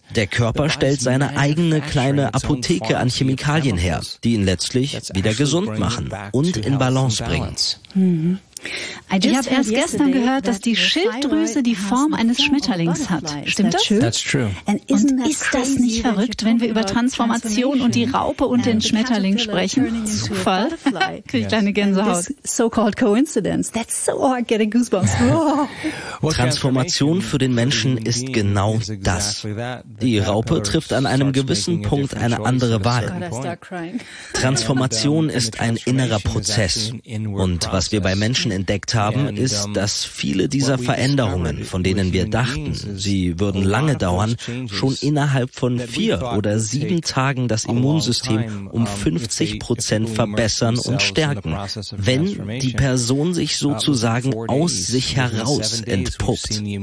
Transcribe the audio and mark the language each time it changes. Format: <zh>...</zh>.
<de>Der Körper stellt seine eigene kleine Apotheke an Chemikalien her, die ihn letztlich wieder gesund machen und in Balance bringen. Ich habe erst gestern gehört, dass die Schilddrüse die Form eines Schmetterlings hat. Stimmt das?</de> <en>That's true.</en> <de>Und ist das nicht verrückt, wenn wir über Transformation und die Raupe und den Schmetterling sprechen? Zufall? Kriege ich eine Gänsehaut.</de> <en>This so-called coincidence. That's so, I get a goosebumps.</en> <de>Transformation für den Menschen ist genau das. Die Raupe trifft an einem gewissen Punkt eine andere Wahl. Transformation ist ein innerer Prozess. Und was wir bei Menschen entdeckt haben, ist, dass viele dieser Veränderungen, von denen wir dachten, sie würden lange dauern, schon innerhalb von 4 oder 7 Tagen das Immunsystem um 50% verbessern und stärken, wenn die Person sich sozusagen aus sich heraus entpuppt.</de>